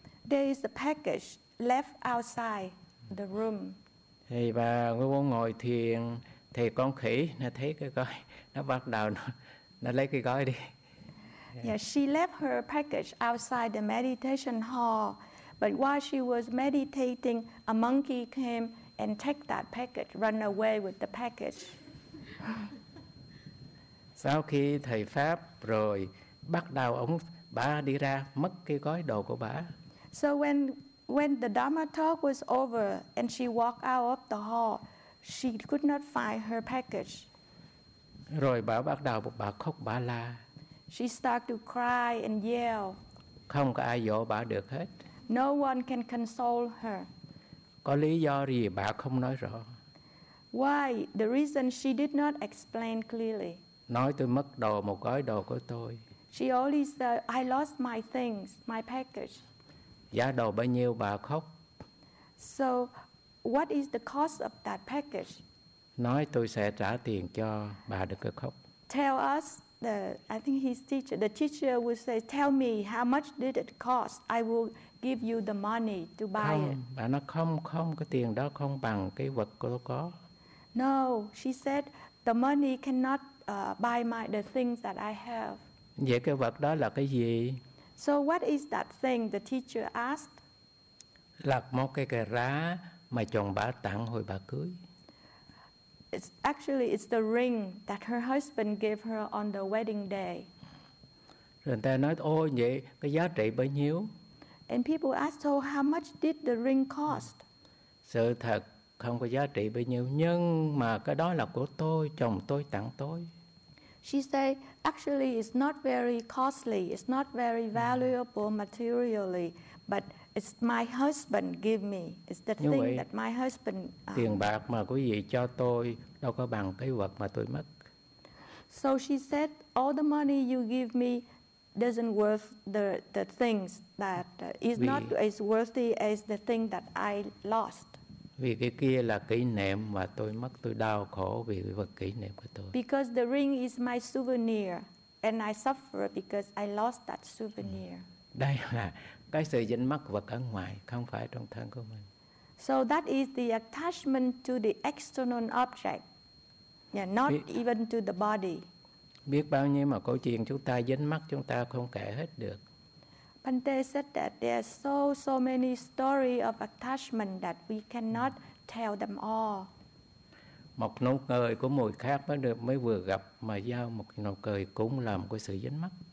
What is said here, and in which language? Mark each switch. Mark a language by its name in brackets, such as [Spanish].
[English] There is a package left outside the room. [Vietnamese] Thì bà muốn ngồi thiền thì con khỉ nó thấy cái gói, nó bắt đầu nó lấy cái gói đi. [English] Yeah, she left her package outside the meditation hall, but while she was meditating, a monkey came and took that package, run away with the package. [Vietnamese] Sau khi thầy pháp rồi bắt đầu ông bà đi ra mất cái gói đồ của bà. [English] So when the Dharma talk was over and she walked out of the hall, she could not find her package. [Vietnamese] Rồi bà bắt đầu bà khóc bà la. [English] She started to cry and yell. [Vietnamese] Không có ai dỗ bà được hết. [English] No one can console her. [Vietnamese] Có lý do gì bà không nói rõ. [English] Why? The reason she did not explain clearly. [Vietnamese] Nói tôi mất đồ, một gói đồ của tôi. [English] She only said, I lost my things, my package. [Vietnamese] Giá đồ bao nhiêu bà khóc. [English] So, what is the cost of that package? [Vietnamese] Nói tôi sẽ trả tiền cho bà đừng có khóc. [English] Tell us, the teacher would say, tell me how much did it cost? I will give you the money to buy [Vietnamese] không, [English] it. [Vietnamese] Bà nói không, không, cái tiền đó không bằng cái vật của tôi có. [English] No, she said, the money cannot buy my the things that I have. [Vietnamese] Vậy cái vật đó là cái gì? [English] So what is that thing the teacher asked? [Vietnamese] Là một cái cà rá mà chồng bà tặng hồi bà cưới. [English] It's the ring that her husband gave her on the wedding day. [Vietnamese] Rồi người ta nói ôi vậy cái giá trị bao nhiêu? [English] And people asked, so how much did the ring cost? [Vietnamese] Sự thật không có giá trị bao nhiêu, nhưng mà cái đó là của tôi, chồng tôi tặng tôi. [English] She said, actually, it's not very costly. It's not very valuable materially. But it's my husband give me. It's the [Vietnamese] như [English] thing [Vietnamese] vậy, [English] that my husband... [Vietnamese] Tiền bạc mà quý vị cho tôi đâu có bằng cái vật mà tôi mất. [English] So she said, all the money you give me doesn't worth the things that... is not as worthy as the thing that I lost. [Vietnamese] Vì cái kia là kỷ niệm mà tôi mất, tôi đau khổ vì vật kỷ niệm của tôi. [English] Because the ring is my souvenir and I suffer because I lost that souvenir. [Vietnamese] Đây là cái sự dính mắc vật ở ngoài, không phải trong thân của mình. [English] So that is the attachment to the external object. Yeah, not [Vietnamese] biết, [English] even to the body. [Vietnamese] Biết bao nhiêu mà câu chuyện chúng ta dính mắc chúng ta không kể hết được. [English] Bhante said that there are so many stories of attachment that we cannot tell them all. [Vietnamese] Một nụ cười của người khác mới vừa gặp mà giao một nụ cười cũng là một cái sự dính mắc.